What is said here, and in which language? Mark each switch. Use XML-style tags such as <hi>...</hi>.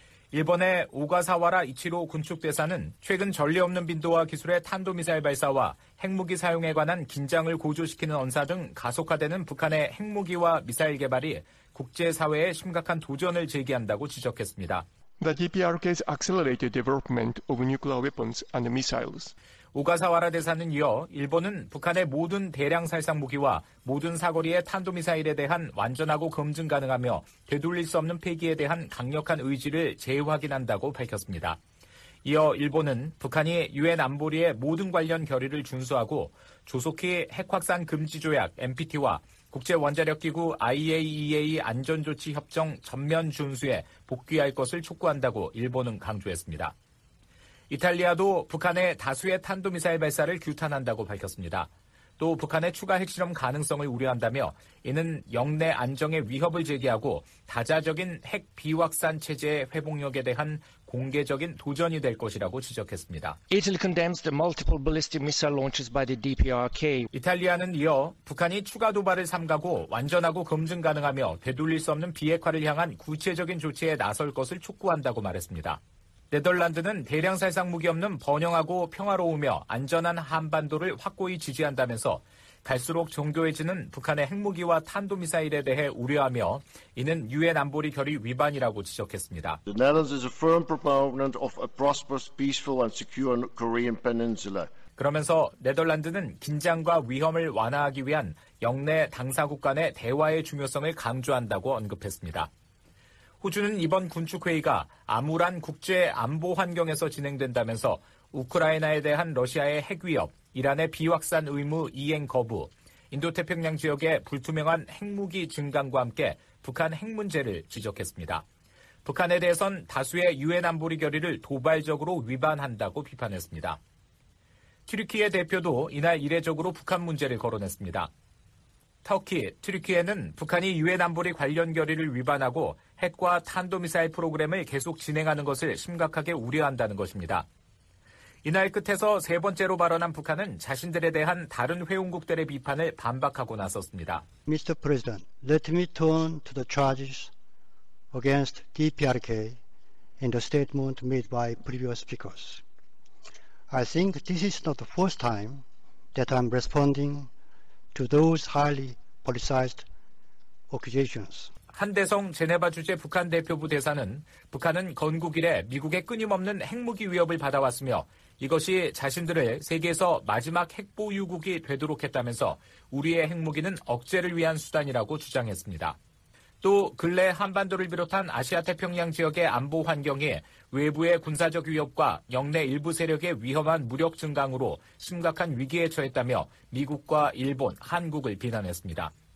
<ko>일본의 오가사와라 이치로 군축대사는 최근 전례 없는 빈도와 기술의 탄도미사일 발사와 핵무기 사용에 관한 긴장을 고조시키는 언사 등 가속화되는 북한의 핵무기와 미사일 개발이 국제사회에 심각한 도전을 제기한다고 지적했습니다.</ko> <en>The DPRK's accelerated development of nuclear weapons and missiles.</en> <ko>오가사와라 대사는 이어 일본은 북한의 모든 대량 살상 무기와 모든 사거리의 탄도미사일에 대한 완전하고 검증 가능하며 되돌릴 수 없는 폐기에 대한 강력한 의지를 재확인한다고 밝혔습니다. 이어 일본은 북한이 유엔 안보리의 모든 관련 결의를 준수하고 조속히 핵확산 금지 조약 NPT와 국제원자력기구 IAEA 안전조치협정 전면 준수에 복귀할 것을 촉구한다고 일본은 강조했습니다. 이탈리아도 북한의 다수의 탄도미사일 발사를 규탄한다고 밝혔습니다. 또 북한의 추가 핵실험 가능성을 우려한다며 이는 영내 안정에 위협을 제기하고 다자적인 핵 비확산 체제의 회복력에 대한 공개적인 도전이 될 것이라고 지적했습니다.</ko> <en>Italy condemns the multiple ballistic missile launches by the DPRK.</en> <ko>이탈리아는 이어 북한이 추가 도발을 삼가고 완전하고 검증 가능하며 되돌릴 수 없는 비핵화를 향한 구체적인 조치에 나설 것을 촉구한다고 말했습니다. 네덜란드는 대량 살상 무기 없는 번영하고 평화로우며 안전한 한반도를 확고히 지지한다면서 갈수록 정교해지는 북한의 핵무기와 탄도미사일에 대해 우려하며 이는 유엔 안보리 결의 위반이라고 지적했습니다.</ko> <en>The Netherlands is a firm proponent of a prosperous, peaceful and secure Korean peninsula.</en> <ko>그러면서 네덜란드는 긴장과 위험을 완화하기 위한 영내 당사국 간의 대화의 중요성을 강조한다고 언급했습니다. 호주는 이번 군축회의가 암울한 국제 안보 환경에서 진행된다면서 우크라이나에 대한 러시아의 핵 위협, 이란의 비확산 의무 이행 거부, 인도태평양 지역의 불투명한 핵무기 증강과 함께 북한 핵 문제를 지적했습니다. 북한에 대해선 다수의 유엔 안보리 결의를 도발적으로 위반한다고 비판했습니다. 튀르키예 대표도 이날 이례적으로 북한 문제를 거론했습니다. 터키, 튀르키예는 북한이 유엔 안보리 관련 결의를 위반하고 핵과 탄도미사일 프로그램을 계속 진행하는 것을 심각하게 우려한다는 것입니다. 이날 끝에서 세 번째로 발언한 북한은 자신들에 대한 다른 회원국들의 비판을 반박하고 나섰습니다.</ko> <en>Mr. President, let me turn to the charges against DPRK in the statement made by previous speakers. I think this is not the first time that I'm responding to those highly politicized accusations.</en> <ko>한대성 제네바 주재 북한 대표부 대사는 북한은 건국 이래 미국의 끊임없는 핵무기 위협을 받아왔으며 이것이 자신들을 세계에서 마지막 핵보유국이 되도록 했다면서 우리의 핵무기는 억제를 위한 수단이라고 주장했습니다. 또 근래 한반도를 비롯한 아시아 태평양 지역의 안보 환경이 외부의 군사적 위협과 영내 일부 세력의 위험한 무력 증강으로 심각한 위기에 처했다며 미국과 일본, 한국을 비난했습니다.</ko>